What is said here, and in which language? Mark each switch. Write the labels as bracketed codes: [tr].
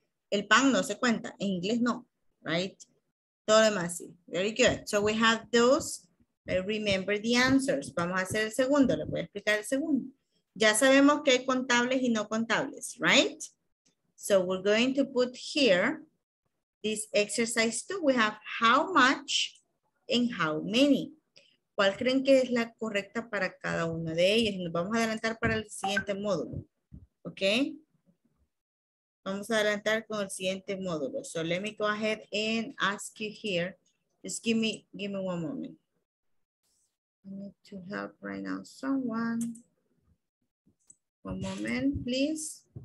[es] El pan no se cuenta, en inglés no, right? Todo demás sí. [en] Very good. So we have those. Remember the answers. [es] Vamos a hacer el segundo, le voy a explicar el segundo. Ya sabemos que hay contables y no contables, right? [en] So we're going to put here this exercise two. We have how much and how many. [es] ¿Cuál creen que es la correcta para cada uno de ellos? Nos vamos a adelantar para el siguiente módulo, ¿ok? Vamos a adelantar con el siguiente módulo. [en] So let me go ahead and ask you here. Just give me one moment. I need to help right now someone. One moment, please.